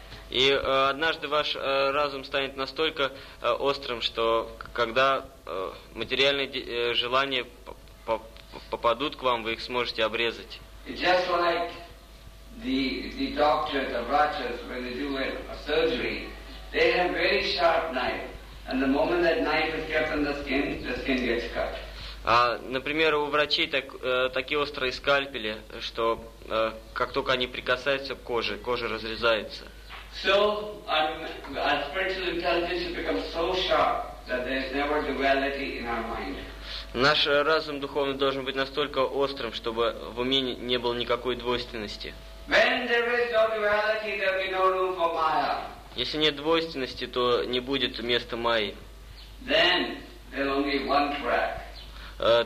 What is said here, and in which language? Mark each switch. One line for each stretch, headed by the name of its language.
Russian: И однажды ваш разум станет настолько острым, что когда материальные желания попадут к вам, вы их сможете обрезать.
English: Just like the doctors, the врачs, when they do a surgery, they have very sharp knife, and the moment that knife is kept on the skin gets cut.
Russian: Например, у врачей такие острые скальпели, что как только они прикасаются к коже, кожа разрезается.
English: So, our spiritual intelligence has become so sharp that there is never duality in our mind.
Russian: Наш разум духовный должен быть настолько острым, чтобы в уме не было никакой двойственности.
English: When there is no duality, there will be no room for Maya.
Russian: Если нет двойственности, то не будет места Майи.
English: Then there will be one track.